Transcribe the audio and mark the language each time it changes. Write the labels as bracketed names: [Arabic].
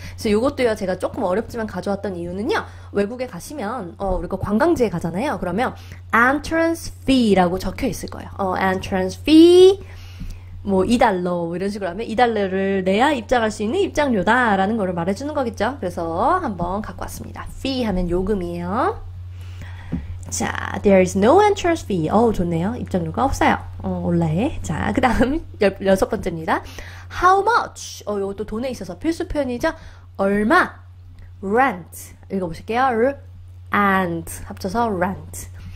[Korean] 그래서 요것도요, 제가 조금 어렵지만 가져왔던 이유는요. 외국에 가시면 우리가 관광지에 가잖아요. 그러면 entrance fee라고 적혀 있을 거예요. entrance fee 뭐 이달러 이런 식으로 하면 이달러를 내야 입장할 수 있는 입장료다라는 거를 말해주는 거겠죠. 그래서 한번 갖고 왔습니다. fee 하면 요금이에요. [English] 자, there is no entrance fee. [Korean] 어우, 좋네요. 입장료가 없어요. 올라에. 자, 그 다음 여섯 번째입니다. [English] How much? [Korean] 이것도 돈에 있어서 필수 표현이죠. 얼마? rent. 읽어보실게요. and 합쳐서 rent.